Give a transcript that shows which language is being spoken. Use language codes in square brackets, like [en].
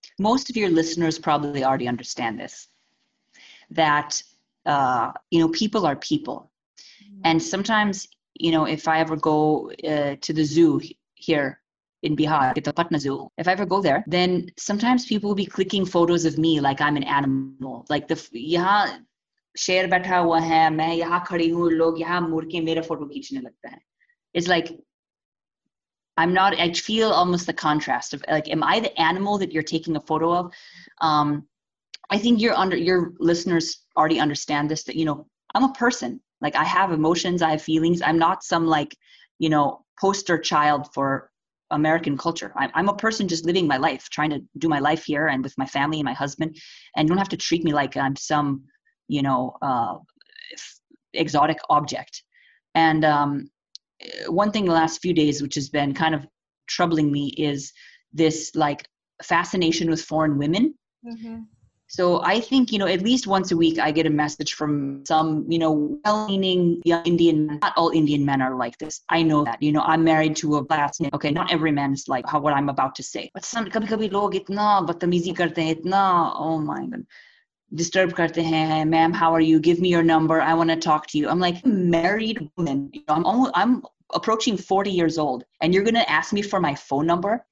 [en] Most of your listeners probably already understand this, that you know, people are people. And sometimes, you know, if I ever go to the zoo here in Bihar, at the Patna Zoo, if I ever go there, then sometimes people will be clicking photos of me like I'm an animal. Like the, [hi] यहाँ शेर बैठा हुआ है, मैं यहाँ खड़ी हूँ, लोग यहाँ मुड़ के मेरा photo खींचने लगता है. [en] It's like, I feel almost the contrast of like, am I the animal that you're taking a photo of? I think your listeners already understand this, that, you know, I'm a person. Like, I have emotions, I have feelings. I'm not some, like, you know, poster child for American culture. I'm a person just living my life, trying to do my life here and with my family and my husband. And you don't have to treat me like I'm some, you know, exotic object. And one thing the last few days, which has been kind of troubling me, is this, like, fascination with foreign women. Mm-hmm. So I think, you know, at least once a week, I get a message from some, you know, well-meaning young Indian. Not all Indian men are like this. I know that, you know, I'm married to a black man. Okay, not every man is like what I'm about to say. But some, [hi] कभी कभी लोग इतना बदतमीज़ी करते हैं, इतना, [en] oh my God, [hi] disturb करते हैं, [en] ma'am, how are you? Give me your number. I want to talk to you. I'm like, married woman. You know, I'm approaching 40 years old, and you're going to ask me for my phone number?